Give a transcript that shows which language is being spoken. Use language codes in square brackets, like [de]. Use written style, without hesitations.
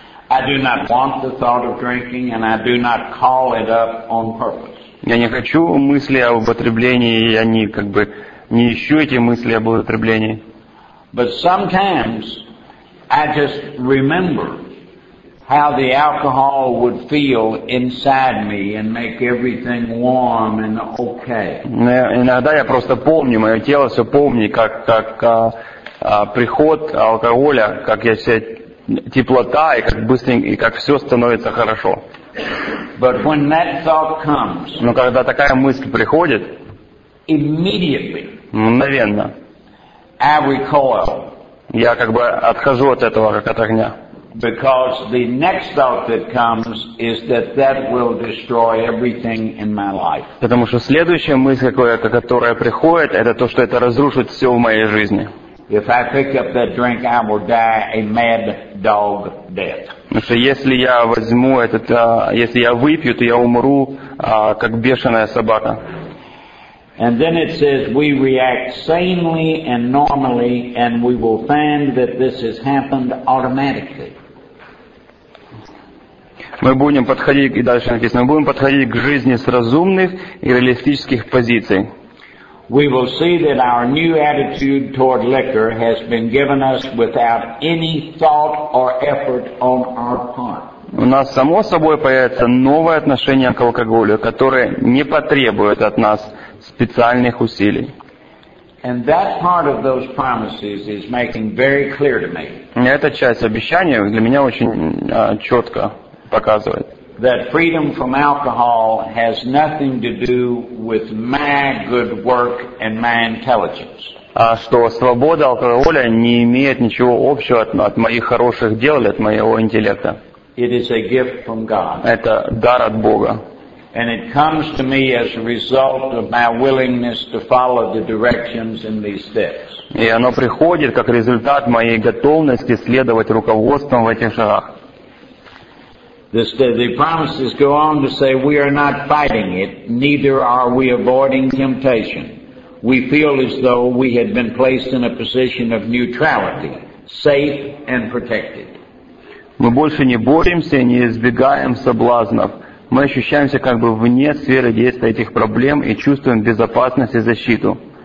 [en] I do not want the thought of drinking, and I do not call it up on purpose. [ru] Я не хочу мысли об употреблении, я не как бы не ищу эти мысли об употреблении. [en] But sometimes I just remember how the alcohol would feel inside me and make everything warm and okay. [ru] Иногда я просто помню, мое тело все помнит, как приход алкоголя, как я себя теплота и как быстро и как все становится хорошо. [en] But when that thought comes, [ru] но когда такая мысль приходит, [en] immediately, [ru] мгновенно, [en] I recoil, [ru] я как бы отхожу от этого, как от огня. [en] Because the next thought that comes is that that will destroy everything in my life. [ru] Потому что следующая мысль, которая приходит, это то, что это разрушит все в моей жизни. [en] If I pick up that drink, I will die a mad dog death. [ru] Потому что если я возьму этот, если я выпью, то я умру, как бешеная собака. [en] And then it says we react sanely and normally, and we will find that this has happened automatically. [ru] Мы будем подходить, и дальше написано, мы будем подходить к жизни с разумных и реалистических позиций. [en] We will see that our new attitude toward liquor has been given us without any thought or effort on our part. [ru] У нас само собой появится новое отношение к алкоголю, которое не потребует от нас специальных усилий. [en] And that part of those promises is making very clear to me. [ru] Эта часть обещания для меня очень четко показывает. [en] That freedom from alcohol has nothing to do with my good work and my intelligence. [ru] Что свобода алкоголя не имеет ничего общего от моих хороших дел или от моего интеллекта. [en] It is a gift from God. [ru] Это дар от Бога. [en] And it comes to me as a result of my willingness to follow the directions in these steps. [ru] И оно приходит как результат моей готовности следовать руководствам в этих шагах. [en] The promises go on to say we are not fighting it, neither are we avoiding temptation. We feel as though we had been placed in a position of neutrality, safe and protected. [ru] Мы больше не боремся, не избегаем соблазнов. Мы ощущаемся как бы вне сферы действия этих проблем и чувствуем безопасность и защиту.